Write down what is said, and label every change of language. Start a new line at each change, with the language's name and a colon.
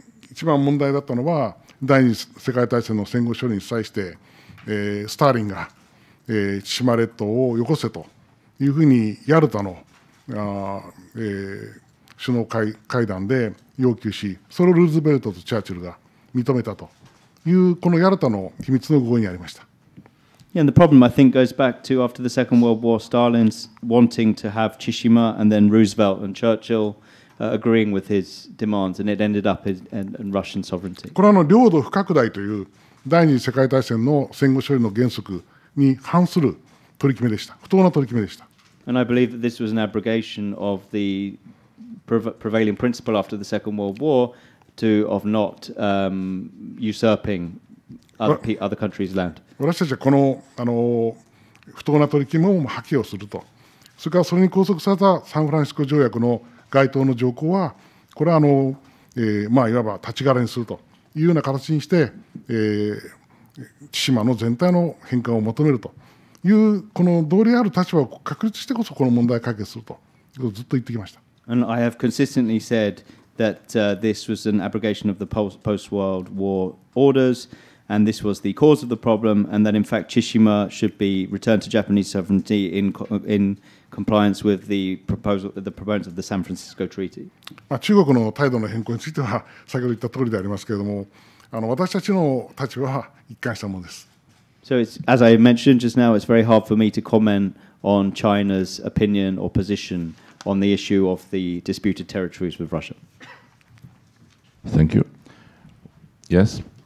Japanese: 一番問題だったのは第二次世界大戦の戦後処理に際して、スターリンが、千島列島をよこせというふうにヤルタの、首脳 会談で要求し、それをルーズベルトとチャーチルが認めたと。このヤルタの秘密の合意にありました。
English: Yeah, and the problem I think goes back to after the Second World War, Stalin's wanting to have Chishima and then Roosevelt and Churchill agreeing with his demands, and it ended up in Russian sovereignty.
Japanese: これは領土不拡大という第二次世界大戦の戦後処理の原則に反する取り決めでした。不当な取り決めでした。
English: And I believe that this was an abrogation of the prevailing principle after the Second World War. Of not usurping other countries' land.
Japanese: 私たちはこの不当な取り決めを破棄をすると、それからそれに拘束されたサンフランシスコ条約の該当の条項は、これはいわば立ち枯れにするというような形にして、千島の全体の返還を求めるという、この道理ある立場を確立してこそこの問題解決するということをずっと言ってきました。
English: And I have consistently saidthat this was an abrogation of the post-World War orders, and this was the cause of the problem, and that in fact Chishima should be returned to Japanese sovereignty in compliance with the proponents of the San Francisco Treaty.
Japanese: 中国の態度の変更については先ほど言った通りでありますけれども、私たちの立場は一貫したものです。
English: So it's, as I mentioned just now, it's very hard for me to comment on China's opinion or position on the issue of the disputed territories with Russia. Thank you. Yes?